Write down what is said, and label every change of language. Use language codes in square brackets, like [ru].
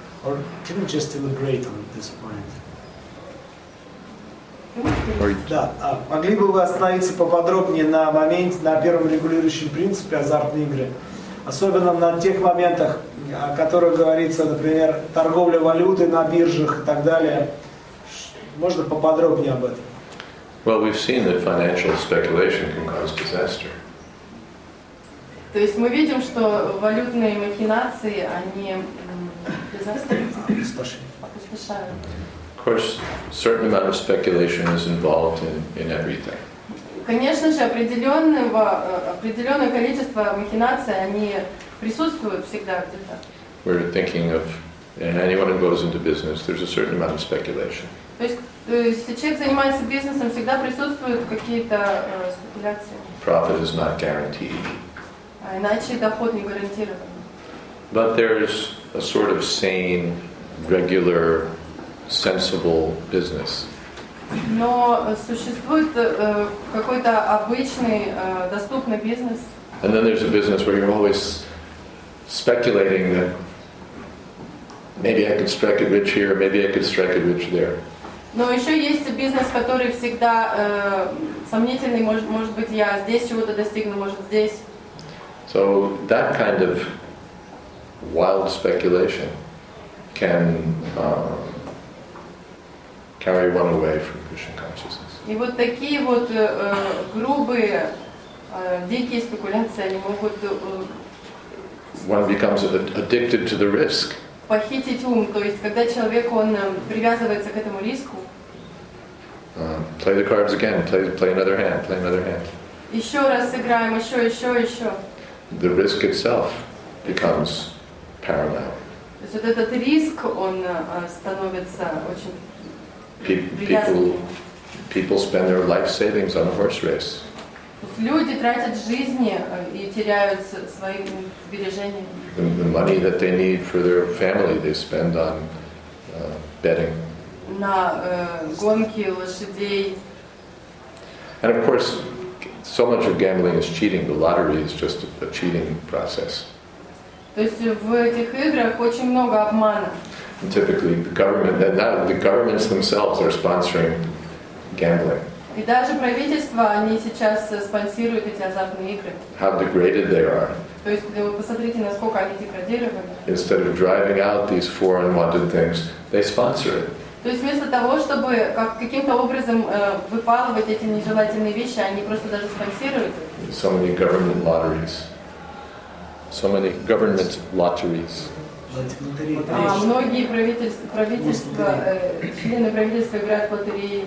[en] Or can you just elaborate on this point? [ru] Да. Могли бы вы остановиться поподробнее на моменте, на первом регулирующем принципе азартной игры? Особенно на тех моментах, о которых говорится, например, торговля валюты на биржах и так далее. Можно поподробнее об этом? [en] Well, we've seen that financial speculation can cause disaster. [ru] То есть мы видим, что валютные махинации, они опустошают. [en] Of course, certain amount of speculation is involved in everything. [ru] Конечно же, определенное количество махинаций, они присутствуют всегда где-то. [en] We're thinking of, and anyone who goes into business, there's a certain amount of speculation. [ru] То есть если человек занимается бизнесом, всегда присутствуют какие-то спекуляции. [en] Profit is not guaranteed. [ru] Иначе доход не гарантирован. [en] But there's a sort of sane, regular, sensible business. [ru] Но существует какой-то обычный, доступный бизнес. [en] And then there's a business where you're always speculating that maybe I could strike it rich here, maybe I could strike it rich there. [ru] Но еще есть бизнес, который всегда сомнительный, может быть, я здесь чего-то достигну, может, здесь. [en] So that kind of wild speculation can carry one away from Krishna consciousness. [ru] И вот такие вот грубые, дикие спекуляции, они могут. [en] One becomes addicted to the risk. [ru] Похитить ум, то есть когда человек он привязывается к этому риску. [en] Play the cards again. Play another hand. [ru] Еще раз сыграем. Еще. [en] The risk itself becomes paramount. [ru] So этот риск он становится очень [en] People People spend their life savings on a horse race. [ru] Люди тратят жизни и теряют свои сбережения. [en] The money that they need for their family, they spend on betting. [ru] На гонки лошадей. [en] And of course, so much of gambling is cheating. The lottery is just a cheating process. [ru] То есть в этих играх очень много обмана. [en] And typically, the governments themselves are sponsoring gambling. [ru] И даже правительства, они сейчас спонсируют эти азартные игры. [en] How degraded they are. [ru] То есть, вы посмотрите, насколько они деградированы. [en] Instead of driving out these foreign wanted things, they sponsor it. [ru] То есть, вместо того, чтобы каким-то образом выпалывать эти нежелательные вещи, они просто даже спонсируют. [en] So many government lotteries. So many government lotteries. [ru] Многие правительства, члены правительства играют в лотереи.